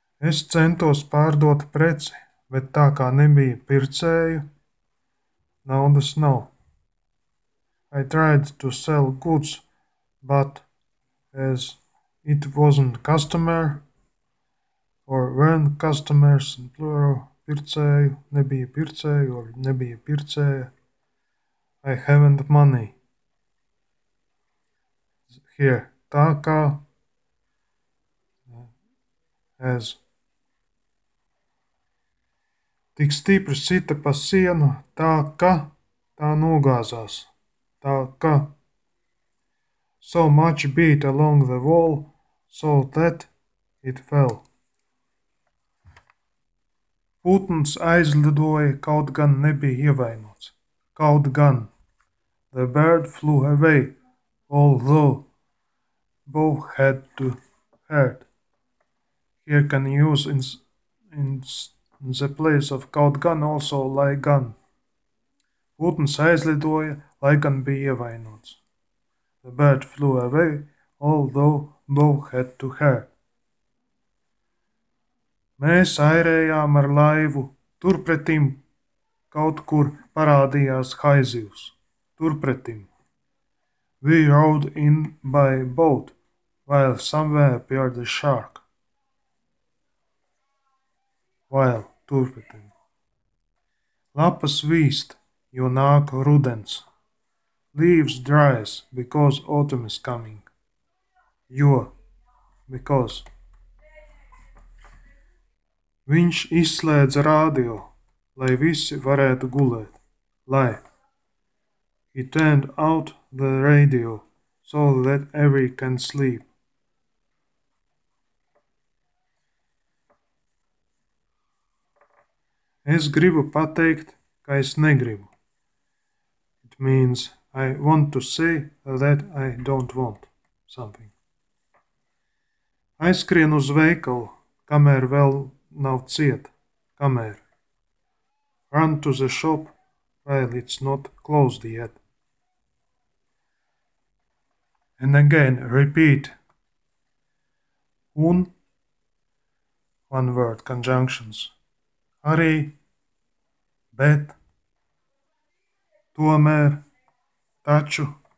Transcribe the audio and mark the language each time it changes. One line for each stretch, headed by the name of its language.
Latvian: Es centos pārdot preci, bet tā kā nebija pircēju, naudas nav.
English: I tried to sell goods, but as it wasn't customer, or weren't customers in plural,
Latvian: pircēju, nebija pircēju,
English: or
Latvian: nebija pircēja,
English: I haven't money. Here, tā kā, as.
Latvian: tik stipri sita pa sienu, tā ka tā nogāzās. Tā ka.
English: So much beat along the wall, so that it fell.
Latvian: Putns aizlidoja, kaut gan nebija ievainots. Kaut gan.
English: The bird flew away, although bow had to hurt. Here can use in the place of kaut gan also lai gan.
Latvian: Putns aizlidoja, lai gan bija ievainots.
English: The bird flew away, although bow had to hurt.
Latvian: Mēs airējām ar laivu, turpretim kaut kur parādījās haizivs. Turpretim.
English: We rowed in by boat, while somewhere appeared a shark. While, turpretim.
Latvian: Lapas vīst, jo nāk rudens.
English: Leaves dries, because autumn is coming. Jo, because.
Latvian: Viņš izslēdz radio, lai visi varētu gulēt. Lai.
English: He turned out the radio, so that every can sleep.
Latvian: Es gribu pateikt, ka es negribu.
English: It means, I want to say that I don't want something.
Latvian: Aizskrien uz veikalu, kamēr vēl nav ciet, kamēr.
English: Run to the shop, while it's not closed yet. And again, repeat. Un, one word, conjunctions.
Latvian: Arī, bet, tomēr, taču.